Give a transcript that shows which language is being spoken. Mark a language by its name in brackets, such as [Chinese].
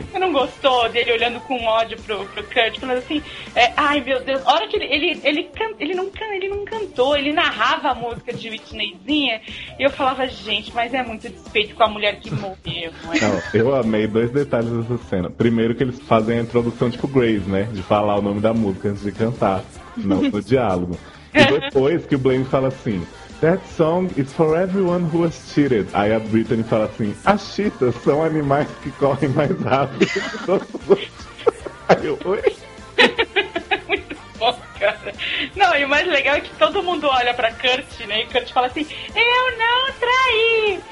[Portuguese] Você não gostou dele olhando com ódio pro Kurt, falando assim, ai meu Deus, a hora que ele não cantou, ele narrava a música de Whitneyzinha, e eu falava, gente, mas é muito despeito com a mulher que morreu. Não, eu amei dois detalhes dessa cena. Primeiro que eles fazem a introdução tipo Grace, né? De falar o nome da música antes de cantar, não no diálogo. E depois que o Blaine fala assim, [English] that song is for everyone who has cheated. [Portuguese] Aí a Brittany fala assim, as cheetahs são animais que correm mais rápido que todos os... Aí eu, oi? Muito bom, cara. Não, e o mais legal é que todo mundo olha pra Kurt, né? E Kurt fala assim, eu não traí!